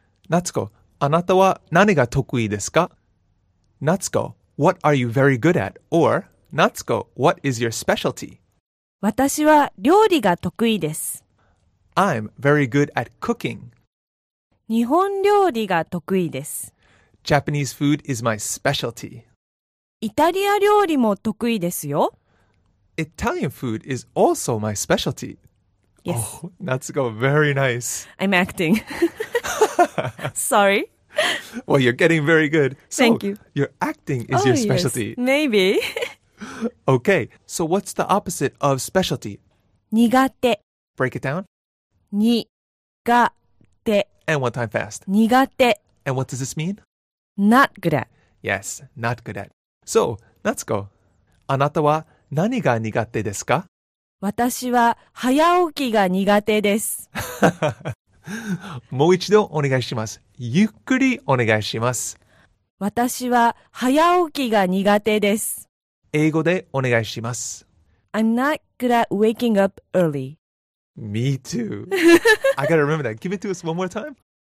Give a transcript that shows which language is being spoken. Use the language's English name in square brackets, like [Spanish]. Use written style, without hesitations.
[Japanese] Natsuko, あなたは何が得意ですか? [English] Natsuko, what are you very good at? Or, Natsuko, what is your specialty? [Japanese] 私は料理が得意です. [English] I'm very good at cooking. [Japanese] 日本料理が得意です。 [English] Japanese food is my specialty. [Japanese] イタリア料理も得意ですよ。 [English] Italian food is also my specialty. Yes. Oh, Natsuko, very nice. I'm acting. Sorry. Well, you're getting very good. So thank you. Your acting is your specialty. Yes. Maybe. Okay, so what's the opposite of specialty? [Japanese] 苦手. [English] Break it down. [Japanese] 苦手. [English] And one time fast. [Japanese] 苦手. [English] And what does this mean? Not good at. Yes, not good at. [Japanese] So, Natsuko, あなたは何が苦手ですか? 私は早起きが苦手です。もう一度お願いします。ゆっくりお願いします。私は早起きが苦手です。英語でお願いします。 [English] I'm not good at waking up early. Me too. I gotta remember that. Give it to us one more time.